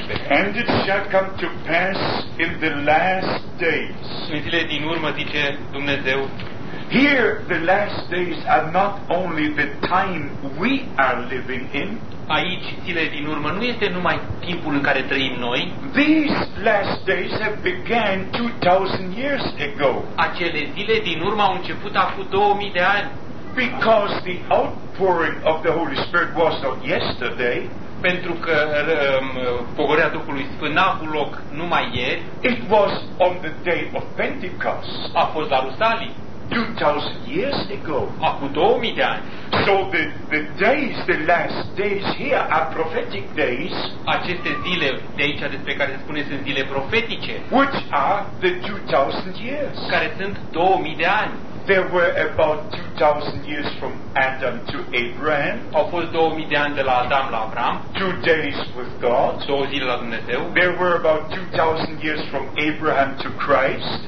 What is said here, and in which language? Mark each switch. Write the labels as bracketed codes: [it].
[en] And it shall come to pass in the last days. [ro] În zilele din urmă, zice Dumnezeu. [en] Here the last days are not only the time we are living in. [ro] Aici zilele din urmă nu este numai timpul în care trăim noi. [en] These last days have began 2000 years ago. [ro] Acele zile din urmă au început acum 2000 de ani. [en] Because the outpouring of the Holy Spirit was not yesterday. [ro] Pentru că pogorea Duhului Sfânt n-a avut loc numai ieri. [en] It was on the day of Pentecost. [ro] A fost la Rusalii. [en] 2000 years ago. [ro] Acum 2000 de ani. [en] So the days, the last days here are prophetic days. [ro] Aceste zile de aici despre care se spune sunt zile profetice. [en] Which are the 2000 years. [ro] Care sunt 2000 de ani. [en] There were about 2000 years from Adam to Abraham. [ro] Au fost 2000 de ani de la Adam la Abraham. [en] 2 days with God. [ro] 2 zile la Dumnezeu. [en] There were about 2000 years from Abraham to Christ.